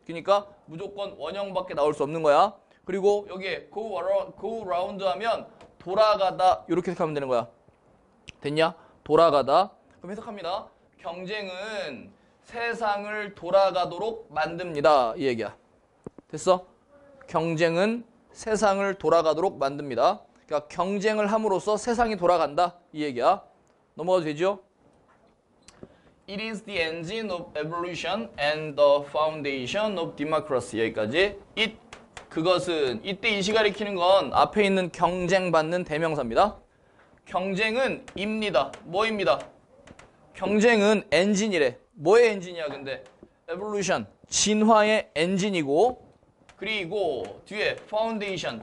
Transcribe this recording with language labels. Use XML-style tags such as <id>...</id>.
<ko>그러니까 무조건 원형밖에 나올 수 없는 거야. 그리고 여기에 go round 하면 돌아가다 이렇게 해석하면 되는 거야. 됐냐? 돌아가다. 그럼 해석합니다. 경쟁은 세상을 돌아가도록 만듭니다. 이 얘기야. 됐어? 경쟁은 세상을 돌아가도록 만듭니다. 그러니까 경쟁을 함으로써 세상이 돌아간다. 이 얘기야. 넘어가도 되죠?</ko> <en>It is the engine of evolution and the foundation of democracy.</en> <ko>여기까지. It, 그것은, 이때 이시 가리키는 건 앞에 있는 경쟁받는 대명사입니다. 경쟁은 입니다. 뭐입니다? 경쟁은 엔진이래. 뭐의 엔진이야, 근데? evolution, 진화의 엔진이고, 그리고 뒤에 foundation.</ko>